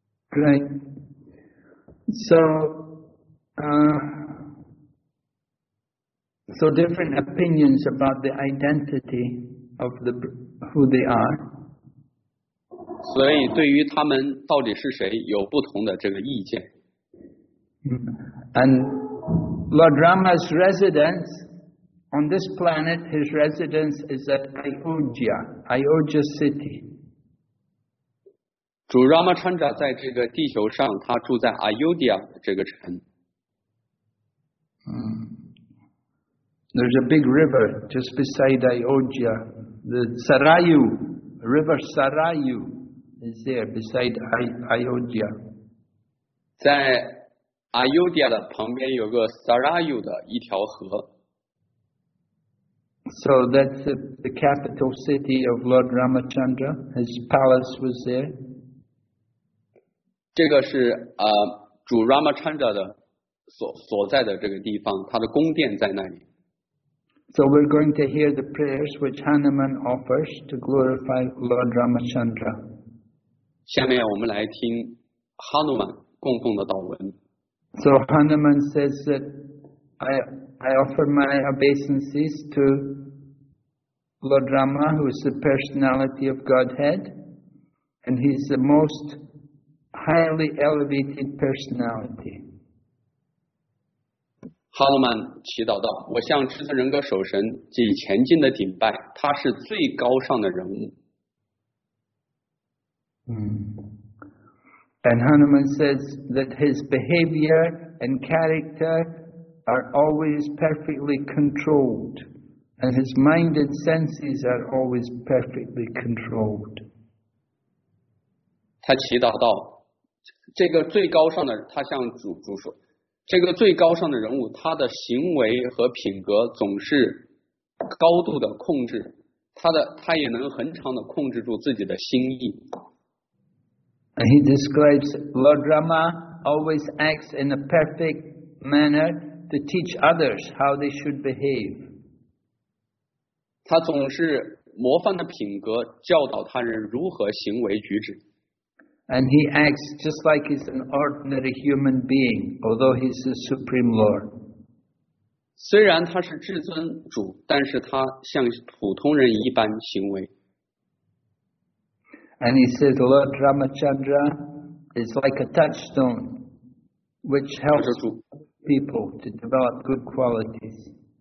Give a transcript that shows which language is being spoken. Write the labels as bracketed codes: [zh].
[en] Great. So different opinions about the identity of the, who they are. [zh] 所以对于他们到底是谁有不同的这个意见。 [en] And Lord Rama's residence on this planet, his residence is at Ayodhya, Ayodhya city. [zh] 主 Ramachandra 在这个地球上他住在 Ayodhya 这个城。 [en] There's a big river just beside Ayodhya, the Sarayu, river Sarayu. Is there beside Ayodhya? [zh] 在 Ayodhya 的旁边有个 Sarayu 的一条河。 [en] So that's the capital city of Lord Ramachandra. His palace was there. [zh] 这个是主 Ramachandra 的所在的这个地方，他的宫殿在那里。 [en] So we're going to hear the prayers which Hanuman offers to glorify Lord Ramachandra. [zh] 下面我们来听哈努曼供奉的祷文。 [en] So Hanuman says that I offer my obeisances to Lord Rama, who is the personality of Godhead, and he's the most highly elevated personality. [zh] 哈努曼祈祷道：“我向智者仁格守神尽虔敬的顶拜，他是最高尚的人物。” [en] And Hanuman says that his behavior and character are always perfectly controlled, and his mind and senses are always perfectly controlled. [zh] 他祈祷道，这个最高尚的，他向主说，这个最高尚的人物，他的行为和品格总是高度的控制，他也能恒常的控制住自己的心意。 [en] And he describes Lord Rama always acts in a perfect manner to teach others how they should behave. [zh] 他总是模范的品格教导他人如何行为举止。 [en] And he acts just like he's an ordinary human being, although he's the Supreme Lord. [zh] 虽然他是至尊主，但是他像普通人一般行为。 [en] And he says, Lord Ramachandra is like a touchstone which helps people to develop good qualities.